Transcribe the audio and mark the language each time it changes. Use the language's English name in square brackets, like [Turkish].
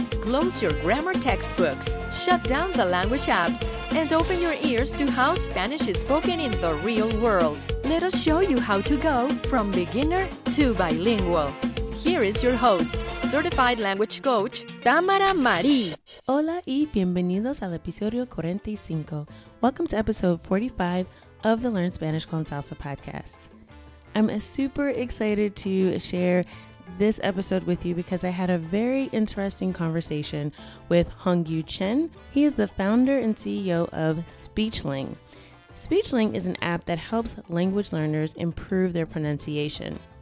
[English] Close your grammar textbooks, shut down the language apps, and open your ears to how Spanish is spoken in the real world. Let us show you how to go from beginner to bilingual. Here is your host, certified language coach, Tamara Marie. [Spanish] Hola y bienvenidos al episodio 45. [English] Welcome to episode 45 of the Learn Spanish con Salsa podcast. I'm super excited to share this episode with you because I had a very interesting conversation with Hongyu Chen. He is the founder and CEO of Speechling. Speechling is an app that helps language learners improve their pronunciation.